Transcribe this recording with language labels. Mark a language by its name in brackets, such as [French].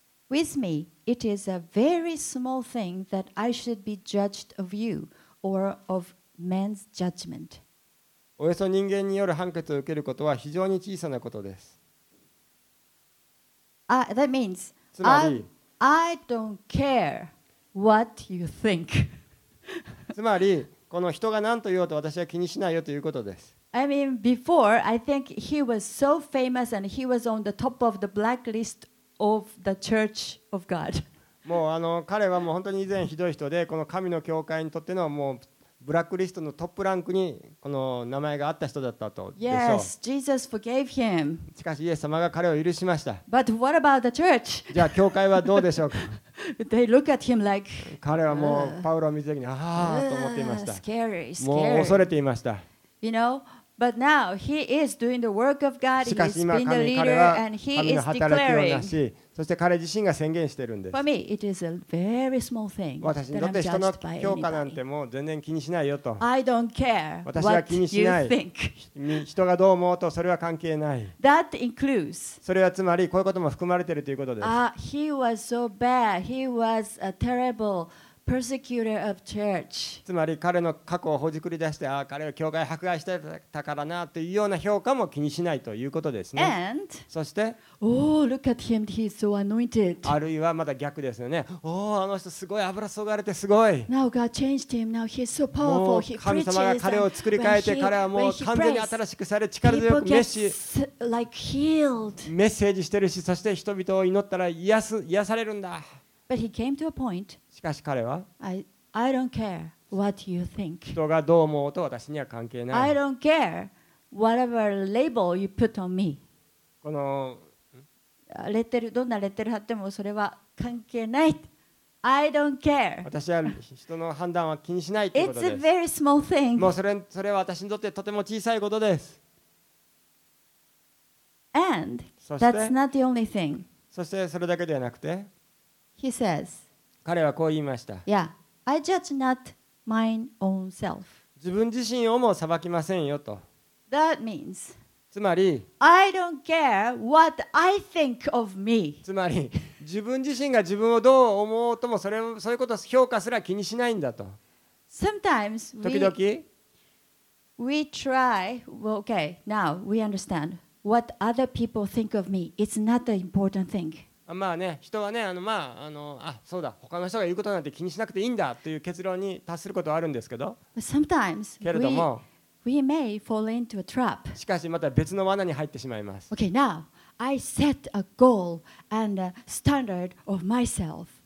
[English] With me, it is a very small thing that I should be judged of you or of man's judgment. [Japanese] およそ人間による判決を受けることは非常に小さなことです。 [English] That means, [Japanese] つまり、 [English] I don't care what you think. [Japanese] つまり、この人が何と言おうと私は気にしないよということです。 [English] I mean, before, I think he was so famous and he was on the top of the blacklist. Of the church of God. [Japanese] もう彼はもう本当に以前ひどい人でこの神の教会にとってのもうブラックリストのトップランクにこの名前があった人だったとでしょう。 [English] Yes, Jesus forgave him. [Japanese] しかしイエス様が彼を許しました。 [English] But what about the church? [Japanese] じゃあ教会はどうでしょうか。 [English] They look at him like. [Japanese] 彼はもうパウロを見た時にああと思っていました。 [English] Scary, scary. [Japanese] もう恐れていました。 [English] You know. But now he is doing the work of God. [Japanese] しかし今神彼は神の働きをなし、そして彼自身が宣言しているんです。 [English] For me, it is a very small thing. [Japanese] 私にとって人の評価なんてもう全然気にしないよと。 [English] I don't care. [Japanese] 私は気にしない。人がどう思うとそれは関係ない。 [English] That includes. [Japanese] それはつまりこういうことも含まれているということです。 [English] He was so bad. He was a terrible. Persecutor of church. [Japanese] つまり彼の過去をほじくり出して、彼は教会を迫害してたからなというような評価も気にしないということですね。 [English] And, [Japanese] そして、 [English] oh, look at him. He's so anointed. [Japanese] あるいはまだ逆ですよね。おお、あの人すごい油注がれてすごい。 [English] Now God changed him. Now he's so powerful. [Japanese] もう神様が彼を作り変えて、彼はもう完全に新しくされ、力強くメッセージしてるし、そして人々を祈ったら癒されるんだ。 [English] But he came to a point. [Japanese] しかし彼は [English] I don't care what you think. [Japanese] 人がどう思うと私には関係ない。 [English] I don't care whatever label you put on me. [Japanese] このレッテル、どんなレッテル貼ってもそれは関係ない。 [English] I don't care. [Japanese] 私は人の判断は気にしないということです。 [English] It's a very small thing. [Japanese] もうそれは私にとってとても小さいことです。 [English] And that's not the only thing. [Japanese] そしてそれだけではなくて、 [English] He says, [Japanese] 彼はこう言いました。 [English] Yeah, I judge not mine own self. [Japanese] 自分自身をも裁きませんよと。 [English] That means, [Japanese] つまり、 [English] I don't care what I think of me. [Japanese] つまり、自分自身が自分をどう思うとも、そういうことを評価すら気にしないんだと。 [English] Sometimes, [Japanese] 時々、 [English] we try, well, okay, now we understand. What other people think of me, it's not the important thing. [Japanese] まあね、人はね、そうだ、他の人が言うことなんて気にしなくていいんだという結論に達することはあるんですけど。 [English] Sometimes [Japanese] けれども、 [English] we may fall into a trap. [Japanese] しかしまた別の罠に入ってしまいます。 [English] Okay, now I set a goal and a standard of myself.